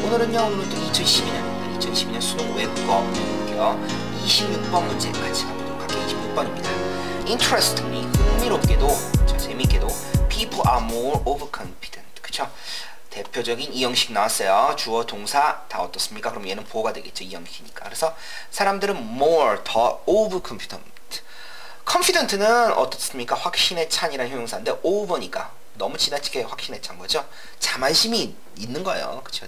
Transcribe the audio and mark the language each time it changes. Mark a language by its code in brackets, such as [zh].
[ko] 오늘은요, 오늘도 2012년 수능 외국어 영어 26번 문제 같이 가보도록 할게요. 26번입니다. [en] Interestingly, [ko] 흥미롭게도, 저 재밌게도, [en] people are more overconfident. [ko] 그쵸? 대표적인 이 형식 나왔어요. 주어, 동사 다 어떻습니까? 그럼 얘는 보호가 되겠죠. 이 형식이니까. 그래서 사람들은 more, 더 overconfident. confident는 어떻습니까? 확신에 찬이라는 형용사인데, over니까. 너무 지나치게 확신에 찬 거죠. 자만심이 있는 거예요. 그쵸?